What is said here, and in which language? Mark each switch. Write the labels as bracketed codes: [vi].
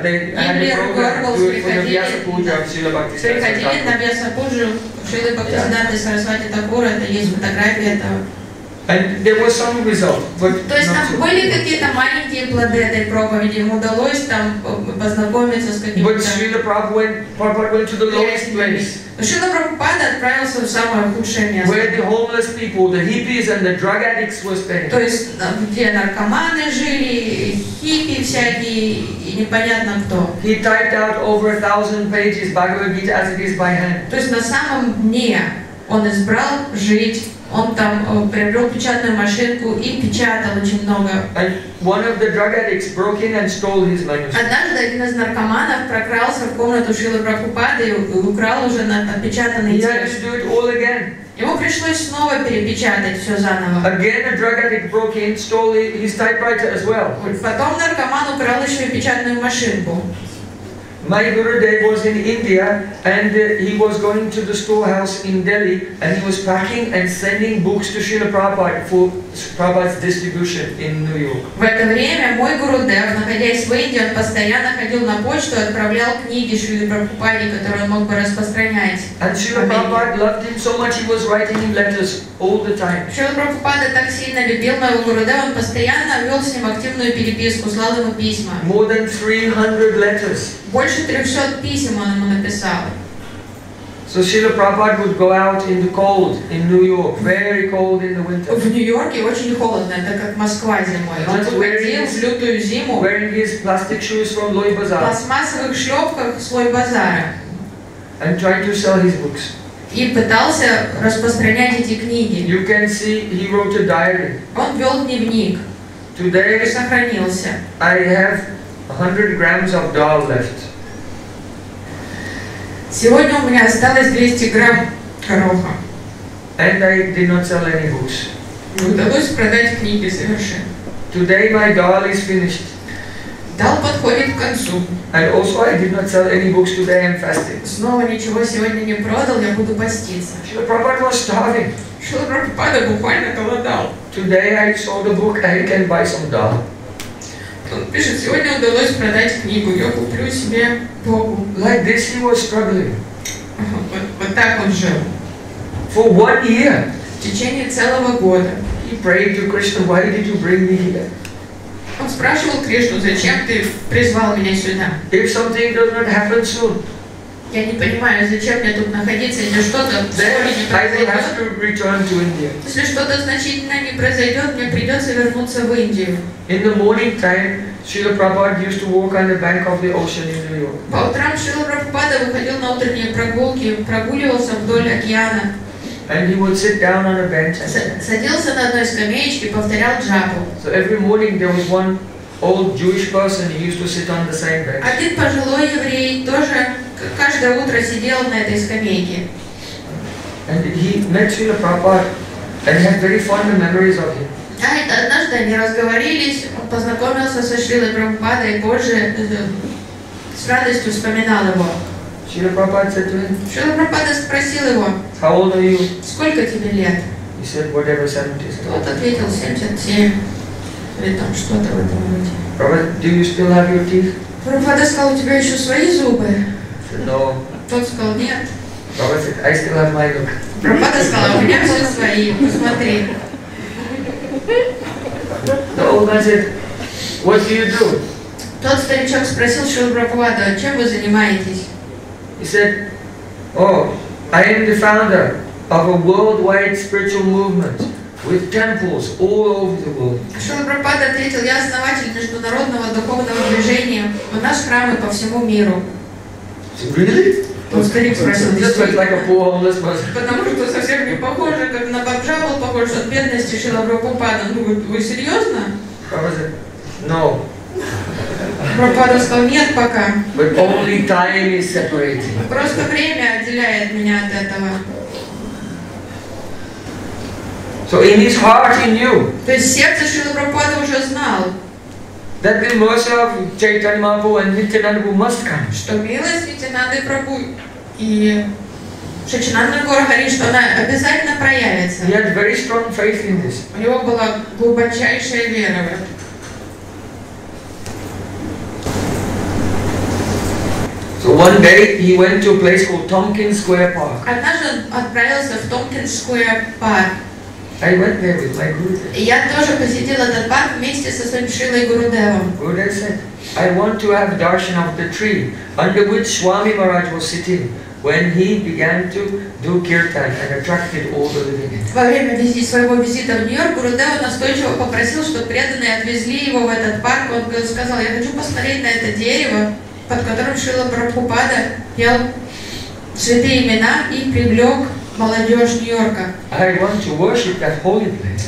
[ru] Геббельс приходили на Вьясапуджу, Шрилы Бхактисиддханты Сарасвати Такура, это есть фотографии этого. [en] And there was some result, but [ru] то есть там были какие-то маленькие плоды этой проповеди, ему удалось там познакомиться с какими-то. [en] But Srila Prabhupada went to the lowest place. [ru] Шрила Прабхупада отправился в самое худшее место. [en] Where the homeless people, the hippies and the drug addicts were staying. [ru] То есть где наркоманы жили, хиппи всякие и непонятно кто. [en] He typed out over 1,000 pages Bhagavad Gita as it is by hand. [ru] То есть на самом дне он избрал жить. Он там приобрел печатную машинку и печатал очень много. [en] And one of the drug addicts broke in and stole his manuscript. [ru] Однажды один из наркоманов прокрался в комнату Шрилы Прабхупады и украл уже отпечатанный текст. [en] He had to do it all again. [ru] Ему пришлось снова перепечатать все заново. [en] Again a drug addict broke in, stole his typewriter as well. [ru] Потом наркоман украл еще и печатную машинку. [en] My Gurudev was in India and he was going to the storehouse in Delhi and he was packing and sending books to Srila Prabhupada for Prabhupada's distribution in New York. [ru] В это время мой Гурудев, находясь в Индии, он постоянно ходил на почту и отправлял книги Шриле Прабхупаде, которые он мог бы распространять. [en] And Srila Prabhupada loved him so much he was writing him letters all the time. [ru] Шрила Прабхупада так сильно любил моего Гурудева, он постоянно вел с ним активную переписку, слал ему письма. [en] More than 300 letters. [ru] Больше 300 писем он ему написал. [en] So Srila Prabhupada would go out in the cold in New York, very cold in the winter. [ru] В Нью-Йорке очень холодно, это как Москва зимой. Он выходил в лютую зиму. [en] Wearing his plastic shoes from Louis Bazaar. [ru] В пластмассовых шлепках с Louis Bazaar. [en] And trying to sell his books. [ru] И пытался распространять эти книги. [en] You can see he wrote a diary. [ru] Он вел дневник. [en] Today [ru] и сохранился. [en] I have 100 grams of dal left. [ru] Сегодня у меня осталось 200 грамм гороха. [en] And I did not sell any books. [ru] Удалось продать книги совершенно. [en] Today my dal is finished. [ru] Дал подходит к концу. [en] And also I did not sell any books today. I'm fasting. [ru] Снова ничего сегодня не продал. Я буду поститься. [en] Srila Prabhupada was starving. [ru] Srila Prabhupada буквально голодал. [en] Today I sold a book. I can buy some dal. [ru] Он пишет, сегодня удалось продать книгу, я куплю себе Богу. [en] Like this he was struggling. [ru] Вот так он жил. [en] For one year. [ru] В течение целого года. [en] He prayed to Krishna, why did you bring me here? [ru] Он спрашивал Кришну, зачем ты призвал меня сюда? [en] If something does not happen soon, [ru] я не понимаю, зачем мне тут находиться, если что-то произойдет. Если что-то значительное не произойдет, мне придется вернуться в Индию. [en] In the morning time, Srila Prabhupada used to walk on the bank of the ocean in New York. [ru] По утрам Шрила Прабхупада выходил на утренние прогулки, прогуливался вдоль океана. [en] And he would sit down on a bench. [ru] Садился на одной скамеечке, повторял джапу. [en] So every morning there was one old Jewish person who used to sit on the same bench. [ru] Один пожилой еврей тоже каждое утро сидел на этой скамейке. [en] And he met Srila Prabhupada and had very fond memories of him. [ru] Да, это однажды они разговорились, он познакомился со Шрилой Прабхупадой, и позже с радостью вспоминал его. [en] Шрила Прабхупада said to him, [ru] Шрила Прабхупада спросил его, [en] how old are you? [ru] Сколько тебе лет? [en] He said, whatever, 77. [ru] Тот ответил, 77. Или там что-то в этом роде. [en] Прабхупада, do you still have your teeth? [ru] Прабхупада сказал, у тебя еще свои зубы? [en] He said, no. [ru] Тот сказал, нет. [en] Прабхупада said, I still have my look. [ru] Прабхупада сказал, у меня все свои, посмотри. [en] The old man said, what do you do? [ru] Тот старичок спросил Шрилу Прабхупаду, чем вы занимаетесь? [en] He said, oh, I am the founder of a worldwide spiritual movement with temples all over the world. [ru] Шрила Прабхупада ответил, я основатель международного духовного движения, у нас храмы по всему миру. [en] Really? [ru] Он старик спросил, действительно. Потому что совсем не похоже, как на бомжа был похож от бедности Шрила Прабхупада. Ну, вы серьезно? [en] No. [ru] Прабхупада сказал, нет пока. [en] But only time is separating. [ru] Просто время отделяет меня от этого. [en] So in his heart he knew. [ru] То есть сердце Шрилы Прабхупады уже знал. [en] That the mercy of Chaitanya Mahaprabhu and Nityananda must come. [ru] Что милость Нитянанды Прабху и Шачинанда Гора Хари, что она обязательно проявится. [en] He had very strong faith in this. [ru] У него была глубочайшая вера в это. [en] So one day he went to a place called Tompkins Square Park. [ru] Однажды он отправился в Tompkins Square Park. [en] I went there with my Guru. [ru] Я тоже посетил этот парк вместе со своим Шрилой Гурудевом. [en] Gurudev said, I want to have darshan of the tree under which Swami Maharaj was sitting when he began to do kirtan and attracted all the living. [ru] Во время визита своего визита в Нью-Йорк Гурудев настойчиво попросил, чтобы преданные отвезли его в этот парк. Он сказал, я хочу посмотреть на это дерево, под которым Шрила Прабхупада пел святые имена и привлек молодежь Нью-Йорка. [en] I want to worship that holy place.